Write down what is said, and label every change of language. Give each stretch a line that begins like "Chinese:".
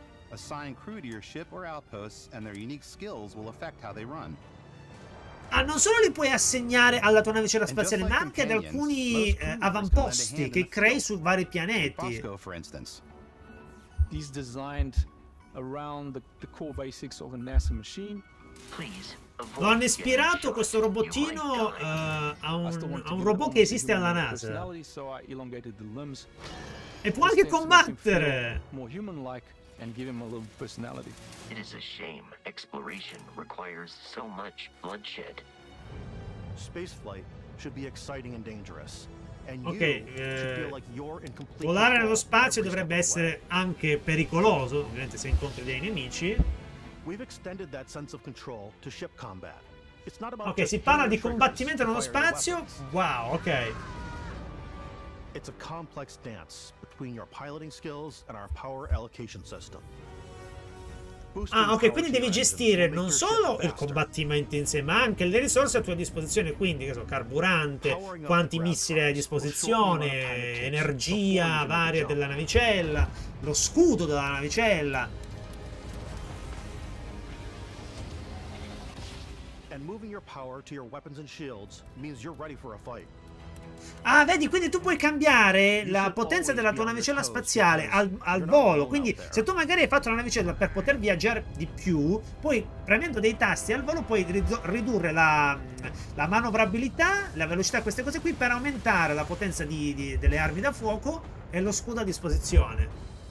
English: Assign crew to your ship or outposts and their unique skills will affect how they run.
Italian: Ah, non solo li puoi assegnare alla tua navicella spaziale, ma anche ad alcuni avamposti che crei su vari pianeti.
English: These designed around the core basics of a NASA machine. Please.
Italian: Lo hanno ispirato questo robottino a un robot che esiste alla NASA. E può anche combattere.
English: And give him a little personality. It is a shame. Exploration requires so much bloodshed. Spaceflight should be exciting and dangerous. And you
Italian: okay, volare nello spazio dovrebbe essere anche pericoloso, ovviamente se incontri dei nemici.
English: We've extended that sense of control to ship combat. It's not about okay,
Italian: si parla di combattimento nello spazio?
English: Wow, ok. It's a complex dance. Between your piloting skills and our power allocation system.
Italian: Ah, ok, quindi devi gestire non solo il combattimento in sé, ma anche le risorse a tua disposizione, quindi, che so, carburante, quanti missili hai a disposizione, energia varia della navicella, lo scudo della navicella.
English: And moving your power to your weapons and shields means you're ready for a fight.
Italian: Ah, vedi, quindi tu puoi cambiare la potenza della tua navicella spaziale al volo. Quindi se tu magari hai fatto la navicella per poter viaggiare di più, poi premendo dei tasti al volo puoi ridurre la manovrabilità, la velocità, queste cose qui, per aumentare la potenza delle armi da fuoco e lo scudo a disposizione.